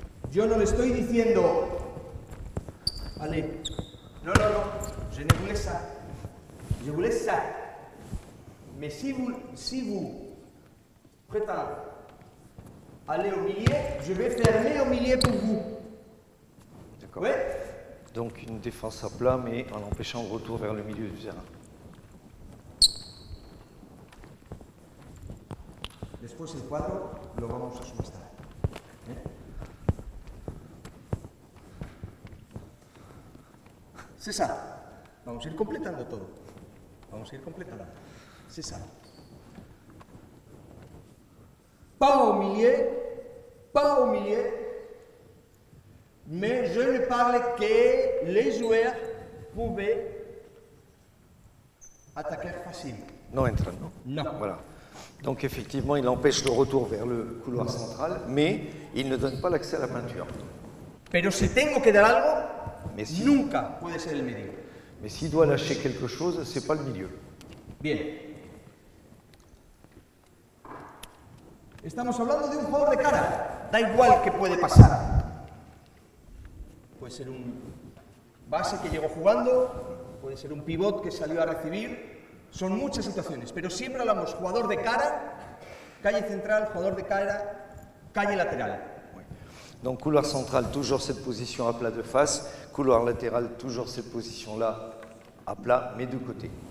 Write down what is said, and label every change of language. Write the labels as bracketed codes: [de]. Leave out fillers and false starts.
[es] Yo no le estoy diciendo... [fr] Allez. Non, non, non. Je ne voulais ça. Je voulais ça. Mais si vous... Si vous... Prétend... Allez au milieu, je vais fermer au milieu pour vous. D'accord. Oui. Donc une défense à plat, mais en empêchant le retour vers le milieu du terrain. [es] Después el cuadro lo vamos a subastar. César, vamos a ir completando todo. Vamos a ir completando. César. [fr] Pas au milieu, mais je ne parle que les joueurs pouvaient attaquer facilement. Non, entrant, non. Non. Voilà. Donc effectivement, il empêche le retour vers le couloir central, mais il ne donne pas l'accès à la peinture. [es] Pero si tengo que dar algo, [fr] mais si... [es] nunca puede ser el medio. [fr] Mais s'il doit lâcher quelque chose, c'est pas le milieu. Bien. [es] Estamos hablando de un jugador de cara. Da igual qué puede pasar. Puede ser un base que llegó jugando, puede ser un pivot que salió a recibir. Son muchas situaciones, pero siempre hablamos jugador de cara, calle central, jugador de cara, calle lateral. [fr] Donc couloir central, toujours cette position à plat de face. Couloir latéral, toujours cette position-là à plat, mais de côté.